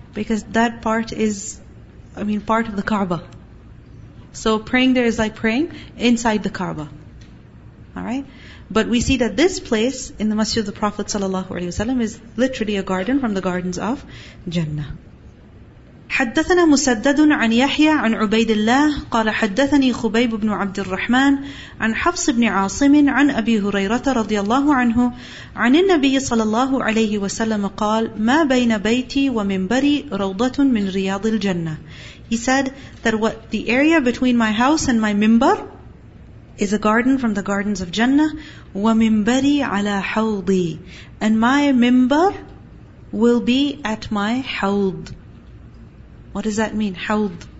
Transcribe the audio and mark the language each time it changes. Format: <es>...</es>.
<en>Because that part is, part of the Kaaba. So praying there is like praying inside the Kaaba. Alright? But we see that this place in the Masjid of the Prophet ﷺ is literally a garden from the gardens of Jannah.</en> <ar>حدثنا مسدد عن يحيى عن عبيد الله قال حدثني خبيب بن عبد الرحمن عن حفص بن عاصم عن أبي هريرة رضي الله عنه عن النبي صلى الله عليه وسلم قال ما بين بيتي ومنبري روضة من رياض الجنة.</ar> <en>He said that what the area between my house and my minbar is a garden from the gardens of Jannah.</en> <ar>ومنبري على حوضي,</ar> <en>and my minbar will be at my حوض. What does that mean? Hawd.</en>